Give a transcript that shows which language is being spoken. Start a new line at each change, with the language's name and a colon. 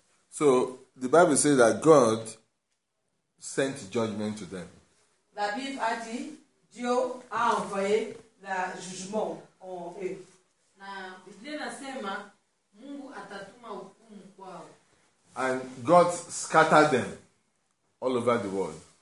English: So the Bible says that God sent judgment to them.
French: La Bible a dit Dieu a envoyé le jugement en eux.
Swahili: Na Biblia nasema Mungu atatuma hukumu kwao.
English: And God scattered them all over the world.